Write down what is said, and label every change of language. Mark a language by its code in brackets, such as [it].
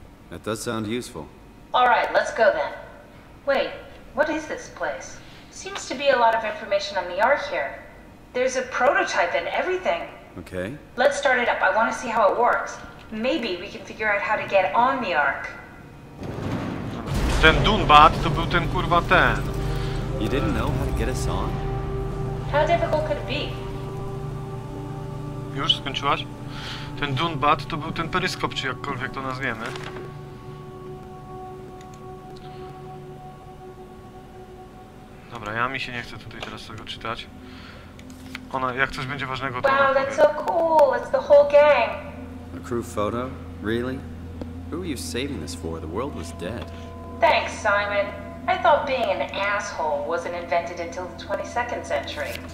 [en] That does sound useful. All right, let's go then. Wait, what is this place? Seems to be a lot of information on the Ark here. There's a prototype and everything. Okay. Let's start it up. I want to see how it works. Maybe we can figure out how to get on the Ark. [pl] Ten Dunbat to był ten kurwa ten. [en] You didn't know how to get us on? How difficult could it be? [pl] Już skończyłaś? Ten Dunbat to był ten peryskop, czy jakkolwiek to nazwiemy. Dobra, ja mi się nie chcę tutaj teraz tego czytać. Ona, jak coś będzie ważnego, to wow, ona [en] that's so cool. It's the whole gang. A crew photo? Really? Who are you saving this for? The world was dead. Thanks, Simon. I thought being an asshole wasn't invented until the 22nd century.